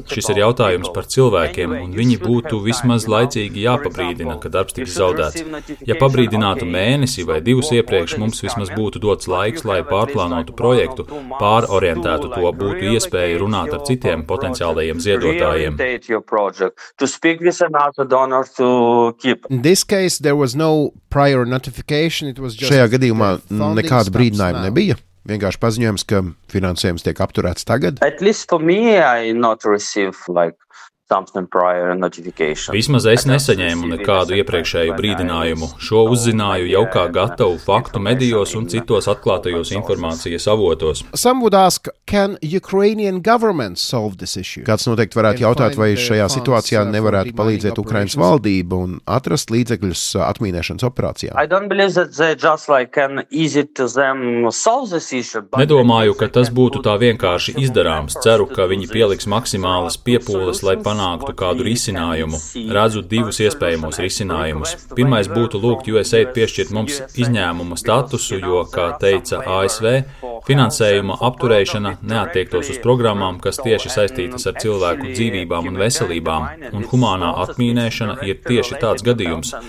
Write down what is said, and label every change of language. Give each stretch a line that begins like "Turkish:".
Latvian: Šis ir jautājums par cilvēkiem, un viņi būtu vismaz laicīgi jāpabrīdina, ka darbs tiks zaudēts. Ja pabrīdinātu mēnesi vai divus iepriekš, mums vismaz būtu dots laiks, lai pārplānotu projektu, pārorientētu to, būtu iespēja runāt ar citiem potenciālajiem ziedotājiem.
English: To speak with another donor to keep. In this case there was no prior notification, it was just
Latvian: Šajā gadījumā nekāda brīdinājuma nebija. Vienkārši paziņojums, ka finansējums tiek apturēts tagad.
English: At least for me I not receive like something prior notification.
Latvian: Vismaz es nesaņēmu nekādu iepriekšēju brīdinājumu. Šo uzzināju jau kā gatavu faktu medijos un citos atklātajos informācijas avotos.
English: Some would ask, can Ukrainian government solve this issue?
Latvian: Kāds noteikti varētu jautāt, vai šajā situācijā nevarētu palīdzēt Ukrainas valdība un atrast līdzekļus atmīnēšanas operācijā?
English: I don't believe that they just like can easy to them solve this issue.
Latvian: Nedomāju, ka tas būtu tā vienkārši izdarāms. Ceru, ka viņi pieliks maksimālas piepūles, lai panāktu kādu risinājumu. Redzu divus iespējamos risinājumus. Pirmais būtu lūgt USAID piešķirt mums izņēmuma statusu, jo, kā teica ASV, finansējuma apturēšana neattiektos uz programmām, kas tieši saistītas ar cilvēku dzīvībām un veselībām, un humānā atmīnēšana ir tieši tāds gadījums.